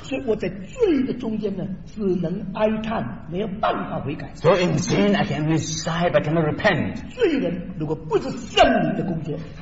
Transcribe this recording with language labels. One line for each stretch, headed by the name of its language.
Chinese: 所以我在罪的中间呢,只能哀叹,
English: so in sin, I can only sigh, but I cannot repent.
Chinese: 罪人如果不是圣灵的工作,